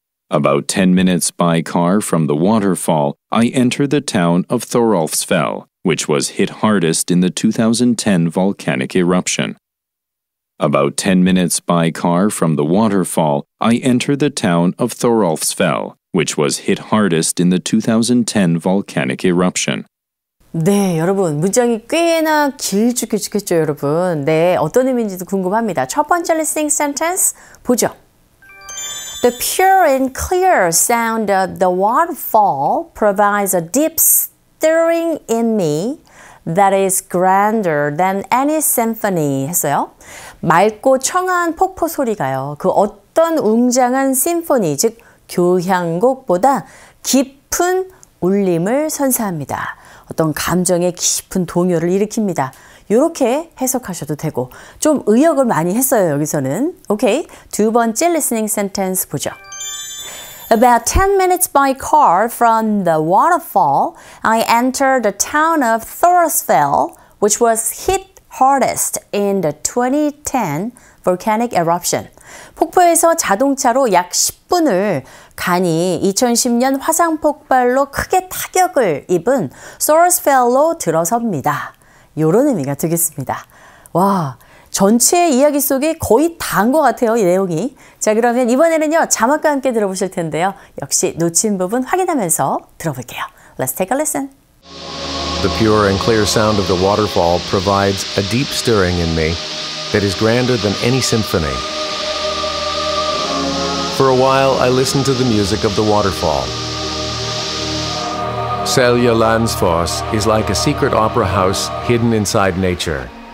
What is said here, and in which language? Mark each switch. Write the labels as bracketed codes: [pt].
[en] About 10 minutes by car from the waterfall, I enter the town of Thorolfsfell, which was hit hardest in the 2010 volcanic eruption. About 10 minutes by car from the waterfall, I enter the town of Thorolfsfell, which was hit hardest in the 2010 volcanic eruption. [ko] 네, 여러분 문장이 꽤나 길쭉길쭉했죠, 여러분. 네, 어떤 의미인지도 궁금합니다. 첫 번째 listening sentence 보죠. [en] The pure and clear sound of the waterfall provides a deep stirring in me that is grander than any symphony [ko] 했어요. 맑고 청아한 폭포 소리가요. 그 어떤 웅장한 심포니, 즉 교향곡보다 깊은 울림을 선사합니다. 어떤 감정의 깊은 동요를 일으킵니다. 이렇게 해석하셔도 되고 좀 의역을 많이 했어요, 여기서는. 오케이, 두 번째 listening sentence 보죠. [en] About 10 minutes by car from the waterfall, I entered the town of Thorolsfell, which was hit hardest in the 2010 volcanic eruption. [ko] 폭포에서 자동차로 약 10분을 간이 2010년 화산 폭발로 크게 타격을 입은 Thorolsfell로 들어섭니다. 이런 의미가 되겠습니다. 와, 전체 이야기 속에 거의 다 한 것 같아요, 이 내용이. 자, 그러면 이번에는요, 자막과 함께 들어보실 텐데요. 역시 놓친 부분 확인하면서 들어볼게요. [en] Let's take a listen. The pure and clear sound of the waterfall provides a deep stirring in me that is grander than any symphony. For a while, I listen to the music of the waterfall. Selja Lansfoss is like a secret opera house hidden inside nature.